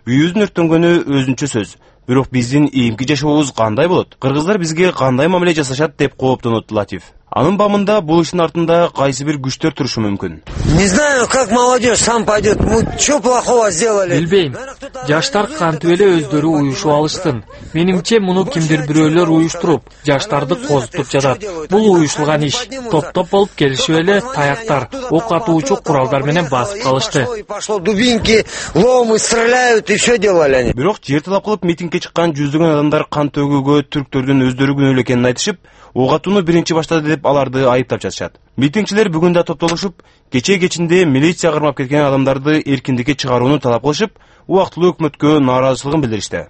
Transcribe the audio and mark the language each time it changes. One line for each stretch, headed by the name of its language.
Kyrgyz: Үйүбүздүн өрттөнгөнү өзүнчө сөз. Бирок биздин ийимки жашообуз кандай болот? Кыргыздар бизге кандай мамиле жасашат деп кооптонот Латиф. Анын бамында бул иштин артында кайсы бир күчтөр турушу мүмкүн?
Russian: Не знаю, как молодежь сам пойдет. Мы что плохого сделали?
Kyrgyz: Билбейм. Жаштар кантип эле өздөрү уюшуп алыштын. Менимче муну кимдир бирөөлөр уюштуруп, жаштарды козутуп жатат. Бул уюшулган иш. Топ-топ болуп келишип эле таяктар, ок атуучу куралдар менен басып калышты.
Russian: Дубинки, ломы стреляют, еще делали они.
Kyrgyz: Бирок жер талап кылып митингге чыккан жүздөгөн адамдар кан төгүүгө түрктөрдүн өздөрү күнөөлүү экенин айтышып, ок атууну биринчи баштады деп аларды айыптап жатышат. Митингчилер бүгүн да топтолушуп, кечээ кечинде милиция кармап кеткен адамдарды эркиндикке чыгарууну талап кылышып, убактылуу өкмөткө нааразылыгын билдиришти.